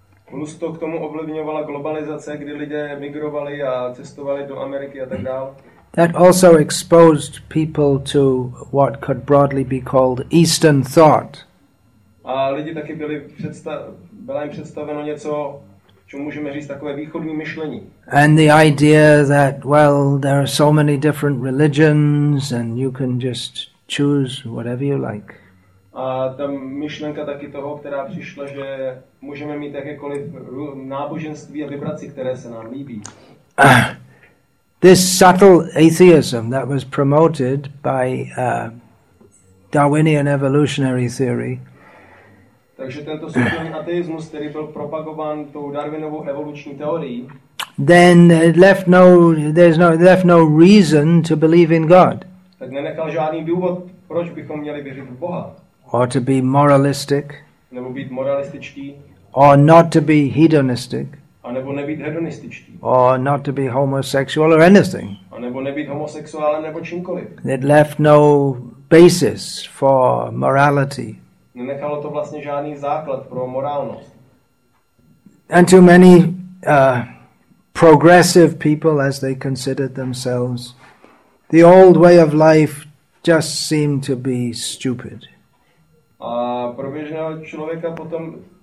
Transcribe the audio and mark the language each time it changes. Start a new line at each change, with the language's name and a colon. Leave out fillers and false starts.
Czech: Plus to k tomu ovlivňovala globalizace, kdy lidé migrovali a cestovali do Ameriky a tak dál.
English: That also exposed people to what could broadly be called Eastern thought.
Czech: A lidi taky byla jim představeno něco, čemu můžeme říct takové východní myšlení.
English: And the idea that, well, there are so many different religions and you can just choose whatever you like.
Czech: A ta myšlenka taky toho, která přišla, že můžeme mít jakékoliv náboženství a vybrat si, které se nám líbí.
English: This subtle atheism that was promoted by Darwinian evolutionary theory.
Czech: Takže tento subtilní ateismus, který byl propagován tou Darwinovou evoluční teorií,
English: then left no reason to believe in God.
Czech: Tak nenechal žádný důvod, proč bychom měli věřit v Boha.
English: Or to be moralistic.
Czech: Nebo být moralističtí.
English: Or not to be hedonistic.
Czech: A nebo nebýt hedonističtí.
English: Or not to be homosexual or anything.
Czech: A nebo nebýt homosexuál nebo čímkoliv.
English: It left no basis for morality.
Czech: Nenechalo to vlastně žádný základ pro morálnost.
English: And to many progressive people, as they considered themselves, the old way of life just seemed to be stupid.
Czech: A pro běžného člověka potom...